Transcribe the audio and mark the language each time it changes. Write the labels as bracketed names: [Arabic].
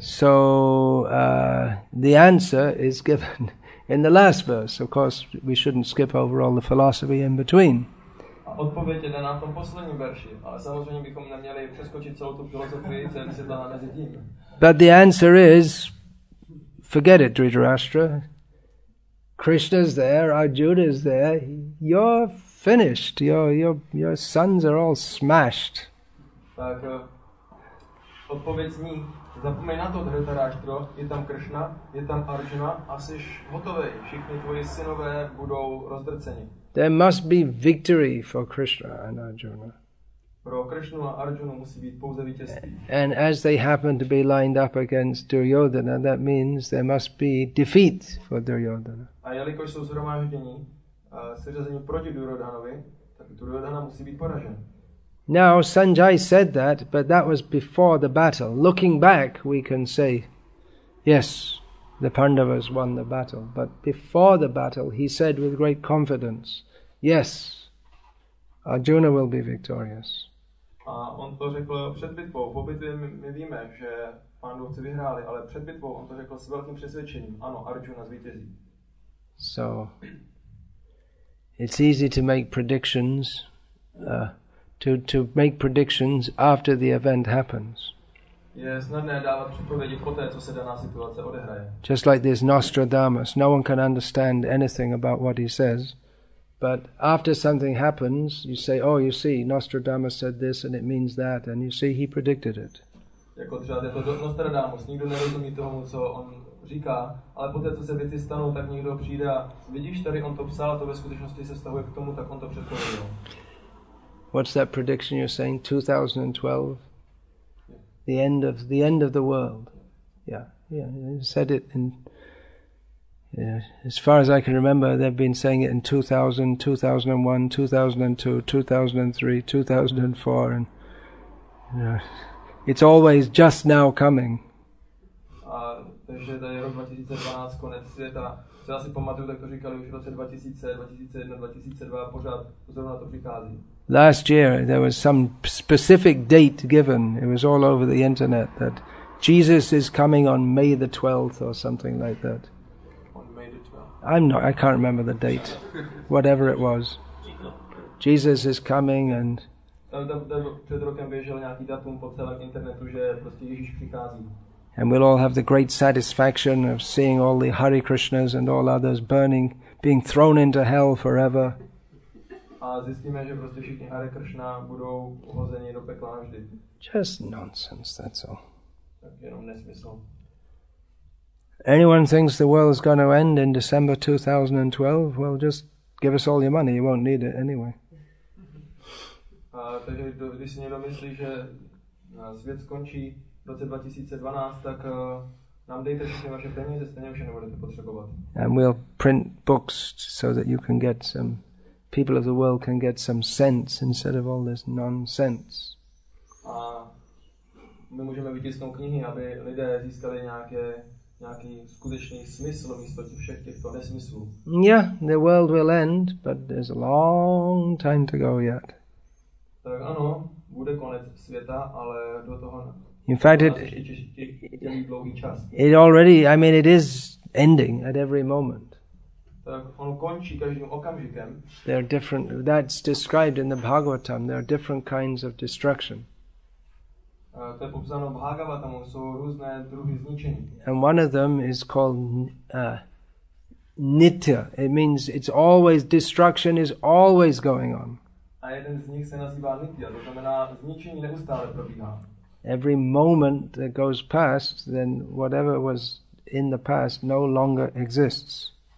[English] So the answer is given in the last verse. Of course, we shouldn't skip over all the philosophy in between. [Czech] A odpověď je daná v tom posledním verši, ale samozřejmě bychom neměli přeskočit celou tu filozofii, co je vysvětlená mezi tím. [English] But the answer is, forget it, Dhritarashtra. Krishna's there, Arjuna's there. You're finished. Your sons are all smashed. [Czech] Tak odpověď zní, zapomeň na to, Dhritarashtra. Je tam Krishna, je tam Arjuna a jsi hotový. Všichni tvoji synové budou rozdrceni. [English] There must be victory for Krishna and Arjuna. [Czech] Pro Krishnu a Arjunu musí být pouze vítězství. [English] And as they happen to be lined up against Duryodhana, that means there must be defeat for Duryodhana. [Czech] A jelikož jsou shromážděni, seřazení proti Duryodhanovi, tak Duryodhana musí být poražen. [English] Now Sanjay said that, but that was before the battle. Looking back, we can say, yes, the Pandavas won the battle. But before the battle, he said with great confidence, yes, Arjuna will be victorious. [Czech] A on to řekl před bitvou. Po bitvě my víme, že Pandavci vyhráli, ale před bitvou on to řekl s velkým přesvědčením. Ano, Arjuna zvítězí. [English] So, it's easy to make predictions. To make predictions after the event happens. [Czech] Je snadné dávat předpovědi poté, co se daná situace odehraje. [English] Just like this Nostradamus, no one can understand anything about what he says, but after something happens, you say, oh, you see, Nostradamus said this and it means that, and you see, he predicted it. [Czech] Jako třeba tento Nostradamus, nikdo nerozumí tomu, co on říká, ale poté, co se věci stanou, tak někdo přijde a vidíš, tady on to psal, to ve skutečnosti se vztahuje k tomu, tak on to předpověděl. [English] What's that prediction you're saying? 2012? Yeah. The end of the world. Yeah. He said it in, as far as I can remember, they've been saying it in 2000, 2001, 2002, 2003, 2004, and it's always just now coming. [Czech] Takže tady rok 2012, konec světa. Co já si pamatuju, tak to říkali už v roce 2000, 2001, 2002, pořád zrovna to přichází. [English] Last year there was some specific date given. It was all over the internet that Jesus is coming on May the 12th or something like that. On May the 12th. I can't remember the date. Whatever it was. Jesus is coming and [Czech] před rokem běžel nějaký datum po celém internetu, že prostě Ježíš přichází. [English] And we'll all have the great satisfaction of seeing all the Hare Krishnas and all others burning, being thrown into hell forever. [Czech] A zjistíme, že prostě všichni Hare Krishna budou uhozeni do pekla navždy. [English] Just nonsense, that's all. [Czech] Tak jenom nesmysl. [English] Anyone thinks the world is going to end in December 2012? Well, just give us all your money, you won't need it anyway. [Czech] Takže když si někdo myslí, že svět skončí v roce 2012, tak nám dejte všechny vaše peníze, stejně už je nebudete potřebovat. [English] And we'll print books so that you can get some, people of the world can get some sense instead of all this nonsense. [Czech] A my můžeme vytisknout knihy, aby lidé získali nějaký skutečný smysl místo těch všech těchto nesmyslů. [English] Yeah, the world will end, but there's a long time to go yet. [Czech] Tak ano, bude konec světa, ale do toho. [English] In fact, it is ending at every moment. [Czech] Tak on končí každým okamžikem. [English] There are different, that's described in the Bhagavatam, there are different kinds of destruction. [Czech] To je popsáno v Bhagavatamu, jsou různé druhy zničení. [English] And one of them is called Nitya. It means it's always, destruction is always going on. [Czech] A jeden z nich se nazývá Nitya, to znamená zničení neustále probíhá. [English] Every moment that goes past, then whatever was in the past no longer exists.